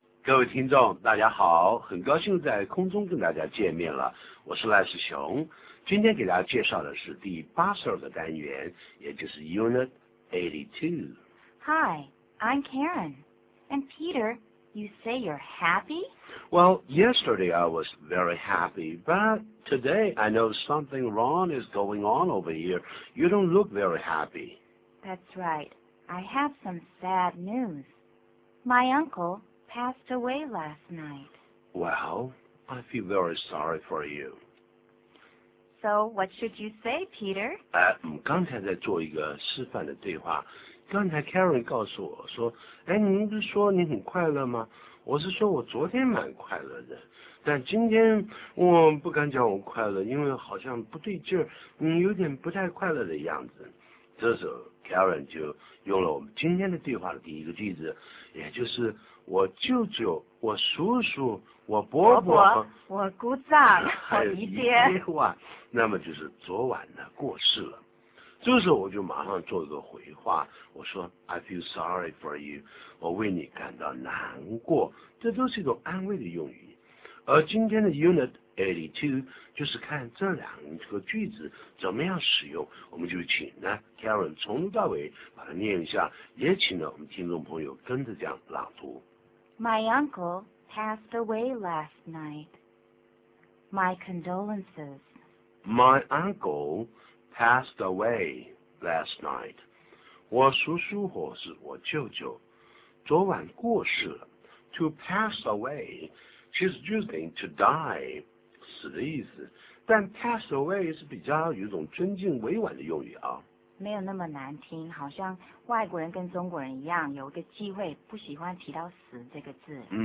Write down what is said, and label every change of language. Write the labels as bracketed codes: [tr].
[zh] 各位听众，大家好，很高兴在空中跟大家见面了，我是赖世雄。今天给大家介绍的是第82个单元，也就是 Unit 82。 [en] Hi, I'm Karen. And Peter, you say you're happy? Well, yesterday I was very happy, but today I know something wrong is going on over here. You don't look very happy. That's right. I have some sad news. My uncle passed away last night. Well, I feel very sorry for you. So, what should you say, Peter? [zh] 刚才在做一个示范的对话。刚才 Karen 告诉我说，您不是说你很快乐吗？我是说我昨天蛮快乐的，但今天我不敢讲我快乐，因为好像不对劲儿，有点不太快乐的样子。这时候 Karen 就用了我们今天的对话的第一个句子，也就是我舅舅、我叔叔、我伯伯、我姑丈、我姨爹，那么就是昨晚呢过世了。这时候我就马上做一个回话，我说 [en] I feel sorry for you， [zh] 我为你感到难过，这都是一种安慰的用语。而今天的 Unit 82就是看这两个句子怎么样使用，我们就请呢 Karen 从头到尾把它念一下，也请呢我们听众朋友跟着这样朗读。 [en] My uncle passed away last night. My condolences. My uncle passed away last night. [zh] 我叔叔或是我舅舅昨晚过世了。 [en] To pass away She's using to die [zh] 死的意思，但 pass away 是比较有一种尊敬委婉的用语啊，没有那么难听，好像外国人跟中国人一样有一个忌讳，不喜欢提到死这个字。